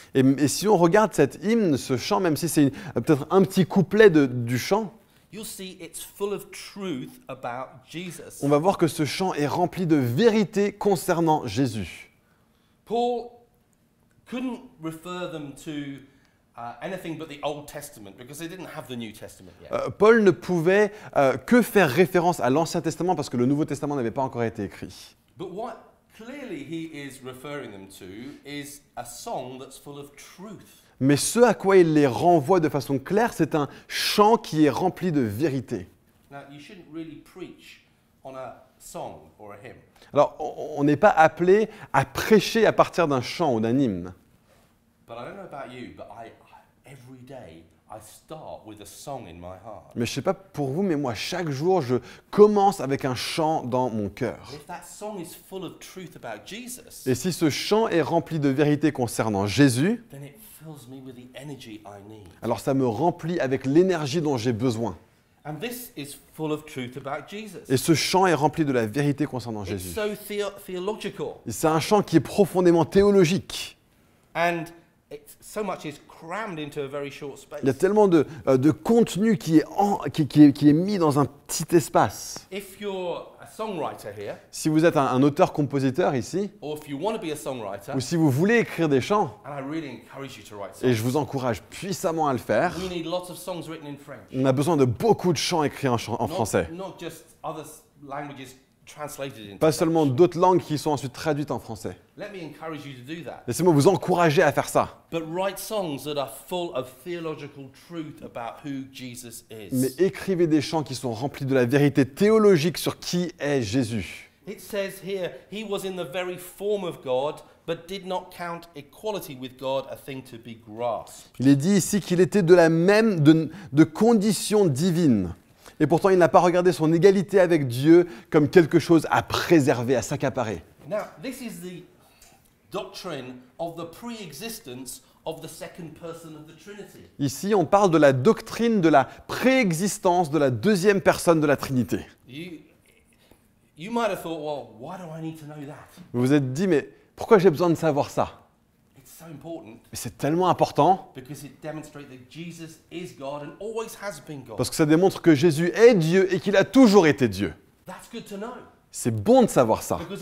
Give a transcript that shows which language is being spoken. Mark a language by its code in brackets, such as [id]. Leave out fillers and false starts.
[fr] Et si on regarde cet hymne, ce chant, même si c'est peut-être un petit couplet du chant, [en] you'll see it's full of truth about Jesus. [fr] On va voir que ce chant est rempli de vérité concernant Jésus. [en] Paul couldn't refer them to anything but the Old Testament because they didn't have the New Testament yet. [fr] Paul ne pouvait que faire référence à l'Ancien Testament parce que le Nouveau Testament n'avait pas encore été écrit. [en] But what clearly he is referring them to is a song that's full of truth. [fr] Mais ce à quoi il les renvoie de façon claire, c'est un chant qui est rempli de vérité. [en] Now, you shouldn't really preach on a song or a hymn. [fr] Alors, on n'est pas appelé à prêcher à partir d'un chant ou d'un hymne. [en] But I don't know about you, but I every day I start with a song in my heart. [fr] Mais je sais pas pour vous, mais moi chaque jour je commence avec un chant dans mon cœur. [en] If that song is full of truth about Jesus. [fr] Et si ce chant est rempli de vérité concernant Jésus, [en] then it fills me with the energy I need. [fr] Alors ça me remplit avec l'énergie dont j'ai besoin. [en] And this is full of truth about Jesus. [fr] Et ce chant est rempli de la vérité concernant Jésus. [en] It's so theological. [fr] Et c'est un chant qui est profondément théologique. [en] And it's so much is crammed into a very short space. [fr] Il y a tellement de contenu qui est mis dans un petit espace. [en] If you're a songwriter here, [fr] si vous êtes un auteur-compositeur ici, [en] or if you want to be a songwriter, [fr] ou si vous voulez écrire des chants, [en] and I really encourage you to write songs, [fr] et je vous encourage puissamment à le faire, [en] we need lots of songs written in French. [fr] On a besoin de beaucoup de chants écrits en français. [en] Not just other languages. [fr] Pas seulement d'autres langues qui sont ensuite traduites en français. [en] Let me encourage you to do that. [fr] Laissez-moi vous encourager à faire ça. [en] But write songs that are full of theological truth about who Jesus is. [fr] Mais écrivez des chants qui sont remplis de la vérité théologique sur qui est Jésus. [en] It says here he was in the very form of God, but did not count equality with God a thing to be grasped. [fr] Il est dit ici qu'il était de la même de condition divine. Et pourtant, il n'a pas regardé son égalité avec Dieu comme quelque chose à préserver, à s'accaparer. [en] Now, this is the doctrine of the pre-existence of the second person of the Trinity. [fr] Ici, on parle de la doctrine de la préexistence de la deuxième personne de la Trinité. [en] You might have thought, well, why do I need to know that? [fr] Vous vous êtes dit, mais pourquoi j'ai besoin de savoir ça? Mais c'est tellement important parce que ça démontre que Jésus est Dieu et qu'il a toujours été Dieu. C'est bon de savoir ça.